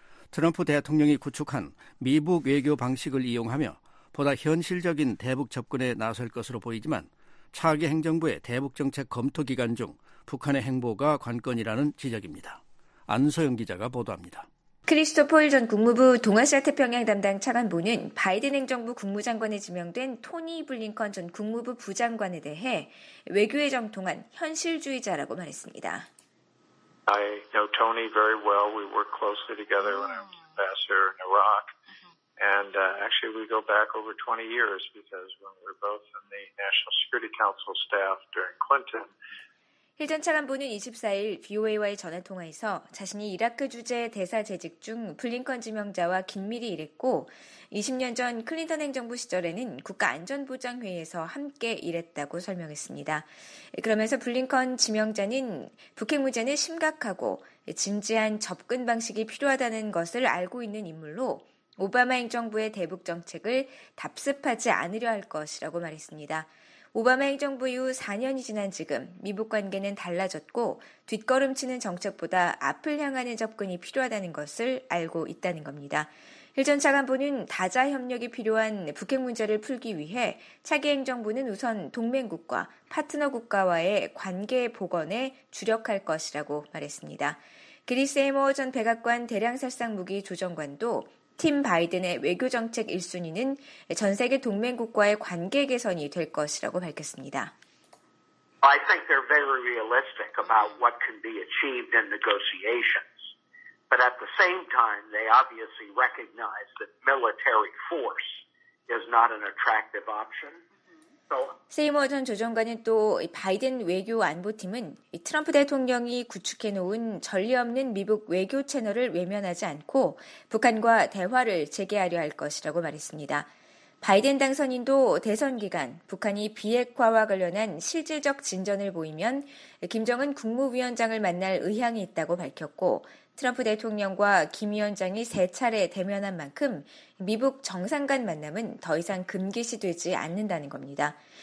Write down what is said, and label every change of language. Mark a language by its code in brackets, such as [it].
[ko] 트럼프 대통령이 구축한 미북 외교 방식을 이용하며 보다 현실적인 대북 접근에 나설 것으로 보이지만 차기 행정부의 대북 정책 검토 기간 중 북한의 행보가 관건이라는 지적입니다. 안서영 기자가 보도합니다. 크리스토퍼 힐 전 국무부 동아시아태평양 담당 차관보는 바이든 행정부 국무장관에 지명된 토니 블링컨 전 국무부 부장관에 대해 외교에 정통한 현실주의자라고 말했습니다. [en] I know Tony very well. We worked closely together when I was ambassador in Iraq. And actually we go back over 20 years because when we were both in the National Security Council staff during Clinton. [ko] 힐 전 차관보는 24일 VOA와의 전화통화에서 자신이 이라크 주재 대사 재직 중 블링컨 지명자와 긴밀히 일했고 20년 전 클린턴 행정부 시절에는 국가안전보장회의에서 함께 일했다고 설명했습니다. 그러면서 블링컨 지명자는 북핵 문제는 심각하고 진지한 접근 방식이 필요하다는 것을 알고 있는 인물로 오바마 행정부의 대북 정책을 답습하지 않으려 할 것이라고 말했습니다. 오바마 행정부 이후 4년이 지난 지금 미북 관계는 달라졌고 뒷걸음치는 정책보다 앞을 향하는 접근이 필요하다는 것을 알고 있다는 겁니다. 힐 전 차관보는 다자 협력이 필요한 북핵 문제를 풀기 위해 차기 행정부는 우선 동맹국과 파트너 국가와의 관계 복원에 주력할 것이라고 말했습니다. 그리스 에머 전 백악관 대량살상무기 조정관도 팀 바이든의 외교 정책 1순위는 전 세계 동맹국과의 관계 개선이 될 것이라고 밝혔습니다. [en] I think they're very realistic about what can be achieved in negotiations. But at the same time, they obviously recognize that military force is not an attractive option. [ko] 세이머 전 조정관은 또 바이든 외교 안보팀은 트럼프 대통령이 구축해놓은 전례 없는 미국 외교 채널을 외면하지 않고 북한과 대화를 재개하려 할 것이라고 말했습니다. 바이든 당선인도 대선 기간 북한이 비핵화와 관련한 실질적 진전을 보이면 김정은 국무위원장을 만날 의향이 있다고 밝혔고 트럼프 대통령과 김 위원장이 세 차례 대면한 만큼 미북 정상 간 만남은 더 이상 금기시 되지 않는다는 겁니다.